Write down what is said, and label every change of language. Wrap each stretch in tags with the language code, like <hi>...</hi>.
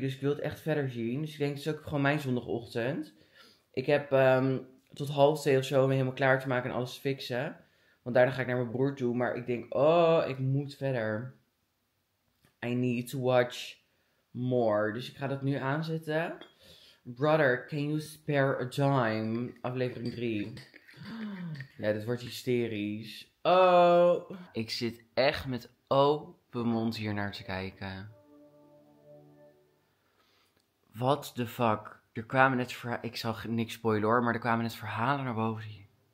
<nl>Dus ik wil het echt verder zien. Dus ik denk, het is ook gewoon mijn zondagochtend. Ik heb tot 2:30 of zo om me helemaal klaar te maken en alles te fixen. Want daarna ga ik naar mijn broer toe. Maar ik denk, oh, ik moet verder.</nl> <en>I need to watch more.</en> <nl>Dus ik ga dat nu aanzetten.</nl> <en>Brother, can you spare a dime?</en> <nl>Aflevering 3. Ja, dit wordt hysterisch. Oh. Ik zit echt met open mond hier naar te kijken.</nl> <en>What the fuck?</en> <nl>Er kwamen net verhalen. Ik zag niks spoilen hoor, maar er kwamen net verhalen naar boven.</nl>